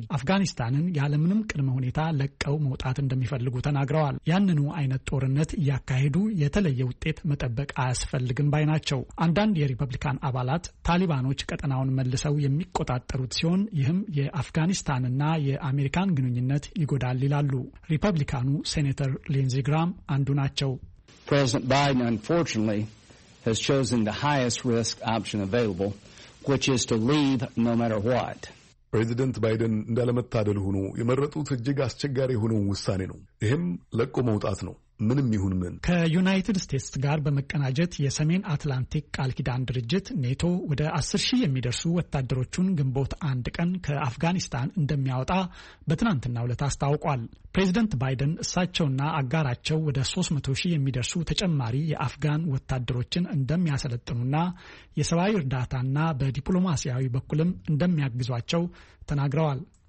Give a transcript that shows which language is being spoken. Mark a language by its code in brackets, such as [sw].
[am] አፍጋኒስታንን ያለምንም ቅድመ ሁኔታ ለቀው መውጣት እንደሚፈልጉ ተናግረዋል። ያንኑ አይነት ጦርነት ያካሄዱ የተለየ ውጤት መጠበቅ አያስፈልግም ባይ ናቸው። አንዳንድ የሪፐብሊካን አባላት ታሊባኖች ቀጠናውን መልሰው የሚቆጣጠሩት ሲሆን ይህም የአፍጋኒስታንና የአሜሪካን ግንኙነት ይጎዳል ይላሉ። ሪፐብሊካኑ ሴኔተር ሊንዚ ግራም አንዱ ናቸው። [en] President Biden unfortunately has chosen the highest risk option available, which is to leave no matter what. [am] ፕሬዚደንት ባይደን እንዳለመታደል ሆኖ የመረጡት እጅግ አስቸጋሪ የሆነው ውሳኔ ነው። ይህም ለቆ መውጣት ነው። ምንም ይሁን ምን ከዩናይትድ ስቴትስ ጋር በመቀናጀት የሰሜን አትላንቲክ ቃል ኪዳን ድርጅት ኔቶ ወደ 10,000 የሚደርሱ ወታደሮቹን ግንቦት 1 ቀን ከአፍጋኒስታን እንደሚያወጣ በትናንትናው ዕለት አስታውቋል። ፕሬዚደንት ባይደን እሳቸውና አጋራቸው ወደ 300,000 የሚደርሱ ተጨማሪ የአፍጋን ወታደሮችን እንደሚያሰለጥኑና የሰብአዊ እርዳታና በዲፕሎማሲያዊ በኩልም እንደሚያግዟቸው ተናግረዋል።